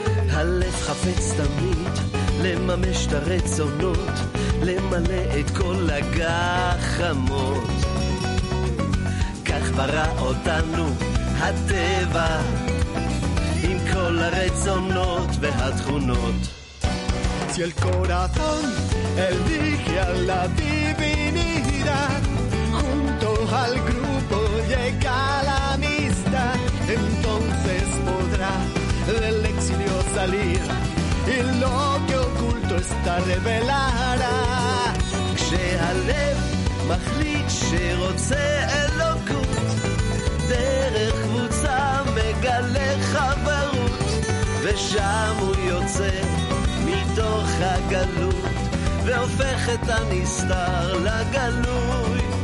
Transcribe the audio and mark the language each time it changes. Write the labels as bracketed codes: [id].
[he] הלב חפץ תמיד לממש את הרצונות, למלא את כל הגחמות. ברא אותנו הטבע עם כל הרצונות והתכונות. [es] Si el corazón elige a la divinidad, junto al grupo llega la amistad, entonces podrá del exilio salir y lo que oculto está revelará. [he] כשהלב מחליט שרוצה אלוקות, דרך קבוצה מגלה חברות, ושם הוא יוצא מתוך הגלות והופך את הנסתר לגלוי.